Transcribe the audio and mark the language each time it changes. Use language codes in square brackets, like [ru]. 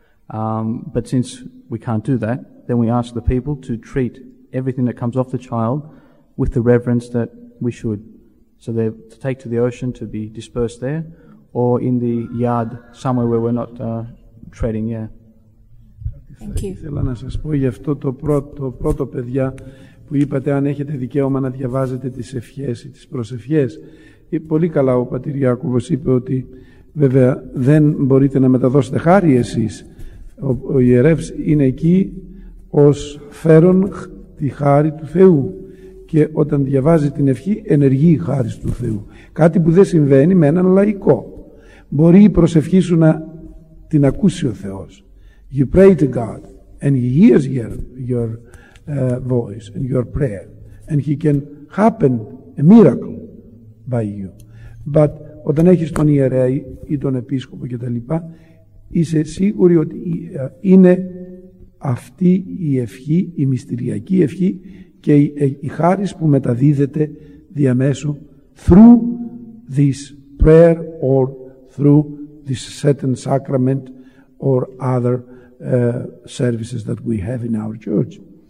[en] But since we can't do that, then we ask the people to treat everything that comes off the child with the reverence that we should. So they're to take to the ocean to be dispersed there or in the yard somewhere where we're not treading, yeah. Thank you. [el] Θα ήθελα να σας πω γι' αυτό το πρώτο παιδιά που είπατε αν έχετε δικαίωμα να διαβάζετε τις ευχές ή τις προσευχές. Πολύ καλά ο πατήρ Ιάκωβος είπε ότι βέβαια δεν μπορείτε να μεταδώσετε χάρη εσείς. Ο ιερεύς είναι εκεί ως φέρον τη χάρη του Θεού και όταν διαβάζει την ευχή ενεργεί η χάρη του Θεού. Κάτι που δεν συμβαίνει με έναν λαϊκό. Μπορεί η προσευχή σου να την ακούσει ο Θεός. [en] You pray to God and He hears your voice and your prayer and He can happen a miracle by you. [el] But όταν έχεις τον ιερέα ή τον επίσκοπο και τα λοιπά, είσαι σίγουρη ότι είναι αυτή η ευχή, η μυστηριακή ευχή και η χάρις που μεταδίδεται διαμέσου [en] through this prayer or through this certain sacrament or other services that we have in our church.